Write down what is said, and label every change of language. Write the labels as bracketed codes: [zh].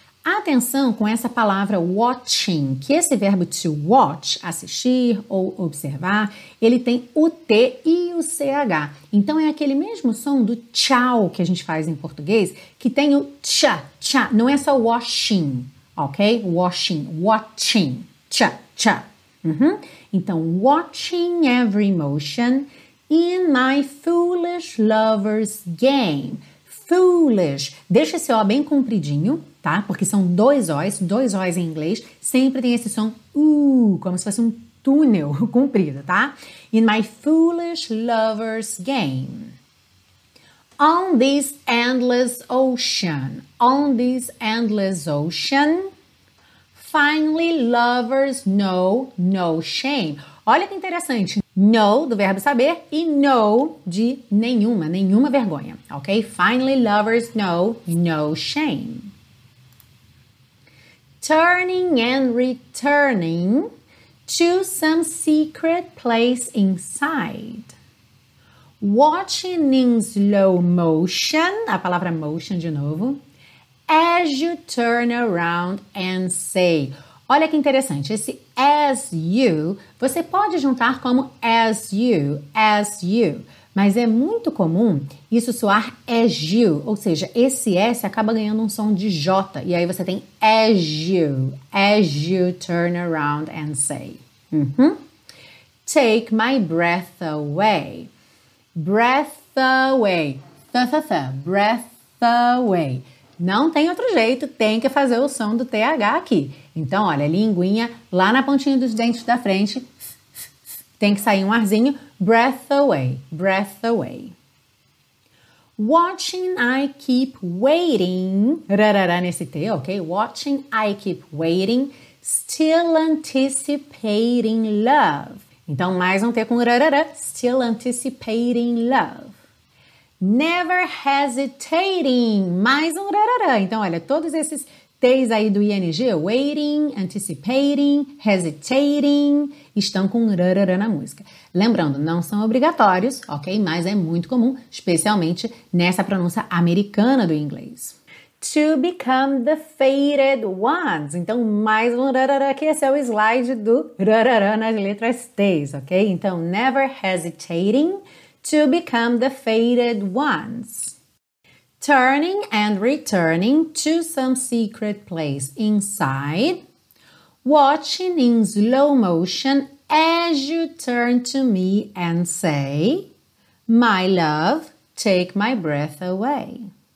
[pt] Atenção com essa palavra watching, que esse verbo to watch, assistir ou observar, ele tem o T e o CH. Então é aquele mesmo som do tchau que a gente faz em português, que tem o tch, tch, não é só washing, ok? Washing, watching, tch, tch. Uhum. Então, [en] watching every motion in my foolish lover's game. [pt] Foolish, deixa esse O bem compridinho, tá? Porque são dois O's em inglês, sempre tem esse som, como se fosse um túnel comprido, tá? [en] In my foolish lover's game. On this endless ocean, on this endless ocean, finally lovers know no shame. [pt] Olha que interessante, no, do verbo saber, e no, de nenhuma, nenhuma vergonha, ok? [en] Finally lovers know no shame. Turning and returning to some secret place inside. Watching in slow motion, [pt] a palavra motion de novo, [en] as you turn around and say. [pt] Olha que interessante, esse as you, você pode juntar como as you, mas é muito comum isso soar as you, ou seja, esse S acaba ganhando um som de J, e aí você tem [en] as you turn around and say. [pt] Uhum. [en] take my breath away. Breath away. Th-th-th. Breath away. [pt] Não tem outro jeito, tem que fazer o som do TH aqui. Então, olha, linguinha lá na pontinha dos dentes da frente. Tem que sair um arzinho. [en] Breath away, breath away. Watching, I keep waiting. [pt] Rarara nesse T, [en] ok? Watching, I keep waiting. Still anticipating love. [pt] Então, mais um T com rarara. [en] Still anticipating love. Never hesitating, [pt] mais um rarará. Então, olha, todos esses T's aí do ING, waiting, anticipating, hesitating, estão com rarará na música. Lembrando, não são obrigatórios, ok? Mas é muito comum, especialmente nessa pronúncia americana do inglês. [en] To become the fated ones. [pt] Então, mais um rarará, que esse é o slide do rarará nas letras T's, ok? Então, [en] never hesitating. To become the fated ones. Turning and returning to some secret place inside. Watching in slow motion as you turn to me and say, my love, take my breath away.